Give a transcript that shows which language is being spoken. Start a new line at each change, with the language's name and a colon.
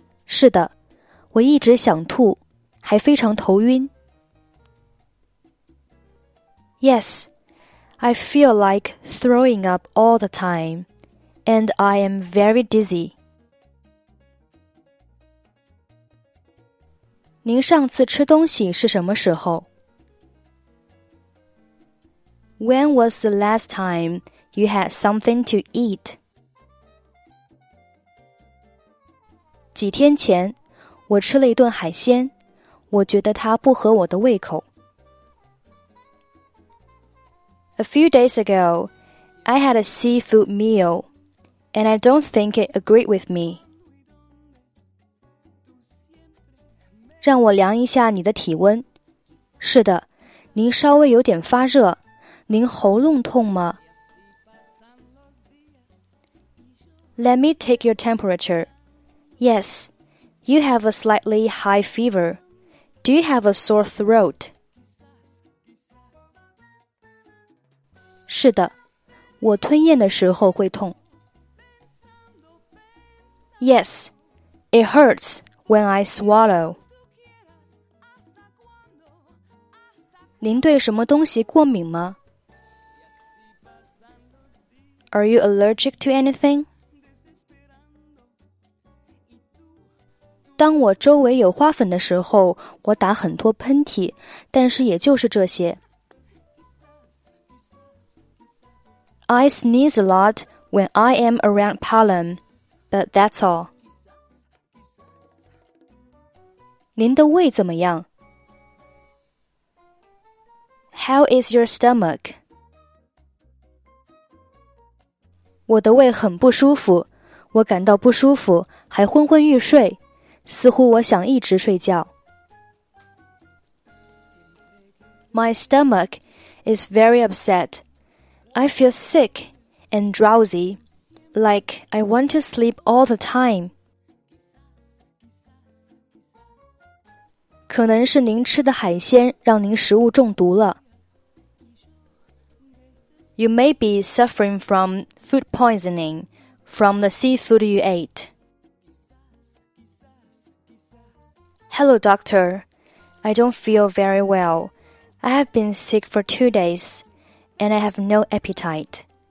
Chinese: 是的，我一直想吐，还非常头晕。
English: Yes, I feel like throwing up all the time, and I am very dizzy.
Chinese: 您上次吃东西是什么时候？
English: When was the last time you had something to eat?
Chinese: 几天前，我吃了一顿海鲜，我觉得它不合我的胃口。
English: A few days ago, I had a seafood meal, and I don't think it agreed with me.
Chinese: 让我量一下你的体温。是的，您稍微有点发热，您喉咙痛吗？
English: Let me take your temperature. Yes, you have a slightly high fever. Do you have a sore throat?
Chinese: 是的，我吞咽的时候会痛。
English: Yes, it hurts when I swallow.
Chinese: 您对什么东西过敏吗？
English: Are you allergic to anything?
Chinese: 当我周围有花粉的时候，我打很多喷嚏，但是也就是这些。
English: I sneeze a lot when I am around pollen, but that's all.
Chinese: 您的胃怎么样？
English: How is your stomach?
Chinese: 我的胃很不舒服，我感到不舒服，还昏昏欲睡。似乎我想一直睡觉。
English: My stomach is very upset. I feel sick and drowsy, like I want to sleep all the time.
Chinese: 可能是您吃的海鲜让您食物中毒了。
English: You may be suffering from food poisoning from the seafood you ate. Hello, doctor. I don't feel very well. I have been sick for 2 days, and I have no appetite.